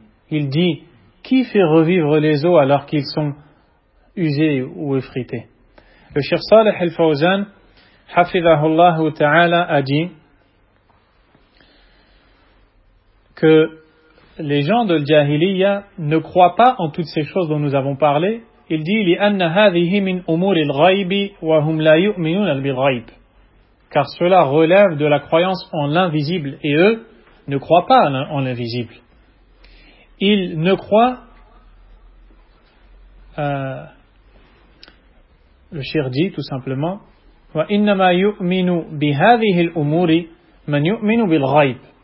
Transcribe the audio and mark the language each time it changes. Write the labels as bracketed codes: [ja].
[fr] Il dit, qui fait revivre les os alors qu'ils sont usés ou effrités? Le Cheikh Saleh Al-Fawzan, hafidhahullahu ta'ala, a dit que les gens de l'Jahiliya ne croient pas en toutes ces choses dont nous avons parlé. Il dit, [ar] لِأَنَّ هَذِهِ مِنْ أُمُورِ الْغَيْبِ وَهُمْ لَا يُؤْمِنُونَ الْبِغَيْبِ. [fr] Car cela relève de la croyance en l'invisible et eux ne croient pas en l'invisible. Ils ne croient, le shir dit tout simplement, [ar] وَإِنَّمَا يُؤْمِنُ بِهَذِهِ الْأُمُورِ مَنْ يُؤْمِنُ بِالْغَيْبِ.